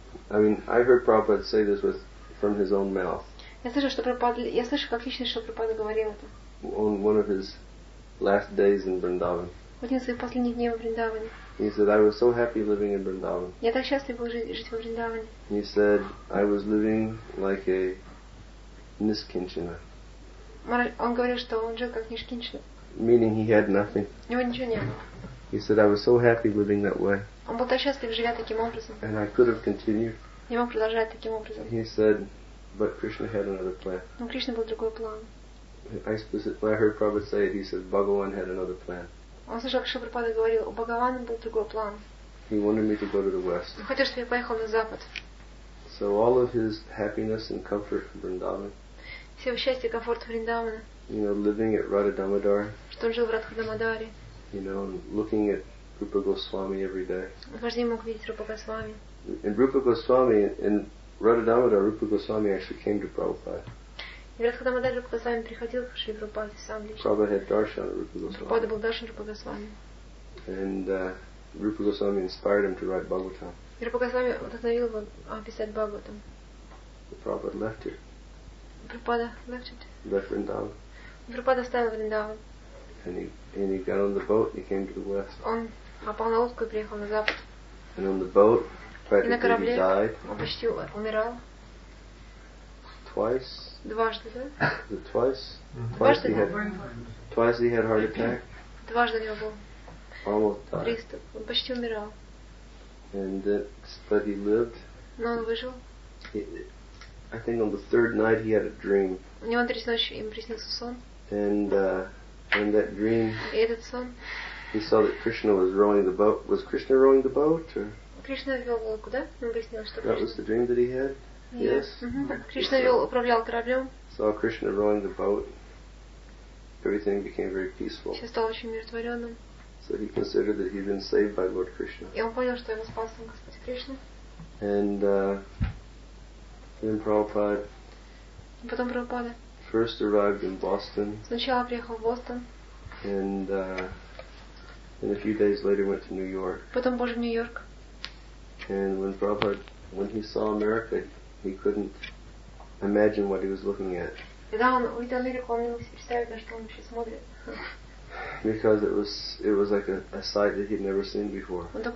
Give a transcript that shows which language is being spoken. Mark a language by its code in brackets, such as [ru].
[en] I mean, I heard Prabhupada say this with from his own mouth. [ru] Я слышал, как лично Шри Прабхупада говорил это. [en] On one of his last days in Vrindavan. [ru] Один из своих последних дней в Вриндаване. [en] He said, "I was so happy living in Vrindavan." [ru] Я так счастлив был жить в Вриндаване. [en] He said, "I was living like a." Nishkinchina. [ru] Он говорил, что он жил как Нишкинчина. [en] Meaning he had nothing. [ru] У него ничего не было. [en] He said, "I was so happy living that way." [ru] Он был так счастлив, живя таким образом. [en] And I could have continued. [ru] Я мог продолжать таким образом. [en] He said, "But Krishna had another plan." [ru] Но Кришна был другой план. [en] I heard Prabhupada say it. He said, "Bhagavan had another plan." [ru] Он слышал, как Шабрупада говорил, у Бхагавана был другой план. [en] He wanted me to go to the west. [ru] Он хотел, чтобы я поехал на запад. [en] So all of his happiness and comfort in Vrindavan. [ru] Все его счастье и комфорт в Вриндаване. [en] You know, living at Radha Damodar. [ru] Что он жил в Радхадамодаре. [en] You know, looking at Rupa Goswami every day. [ru] Каждый день мог видеть Рупа Госвами. [en] And Rupa Goswami in Radha Damodar, Rupa Goswami actually came to Prabhupada. [ru] В Радхадамодаре Рупа Госвами приходил к Шри Прабхупаде сам лично. [en] Prabhupada had darshan Rupa Goswami. [ru] Прабхупада был даршан Рупа Госвами. [en] And Rupa Goswami inspired him to write Bhagavatam. [ru] И Рупа Госвами вдохновил его писать Бхагаватам. [en] Prabhupada left it. Prabhupada left it. Left Vrindavan. [ru] Prabhupada оставил Вриндаван. [en] And he got on the boat and he came to the west. [ru] Он попал на лодку и приехал на запад. [en] And on the boat, practically [ru] на корабле [en] he died. [ru] Он почти умирал. [en] Twice. [ru] Дважды, да? [en] Twice. Mm-hmm. Twice he had heart attack. [ru] Дважды у него был. [en] Almost died. [ru] Приступ. Он почти умирал. [en] And but he lived. [ru] Но он выжил. [en] I think on the third night he had a dream. [ru] У него на третью ночь ему приснился сон. [en] And that dream. [ru] И этот сон. [en] He saw that Krishna was rowing the boat. Was Krishna rowing the boat or? [ru] Кришна вел лодку, да? Ему приснилось, что. [en] That was the dream that he had. Yes. [ru] Кришна вел, управлял кораблем. [en] Saw Krishna rowing the boat. Everything became very peaceful. [ru] Все стало очень умиротворенным. [en] So he considered that he had been saved by Lord Krishna. [ru] И он понял, что его спас сам Господь Кришна. [en] And then Prabhupada. [ru] Потом Прабхупада. [en] First arrived in Boston. [ru] Сначала приехал в Бостон. [en] And then a few days later went to New York. [ru] Потом позже в Нью-Йорк. [en] And when Prabhupada, when he saw America, he couldn't imagine what he was looking at. [ru] Когда он увидел Америку, он не мог представить, на что он вообще смотрит. [en] because it was like a sight that he'd never seen before.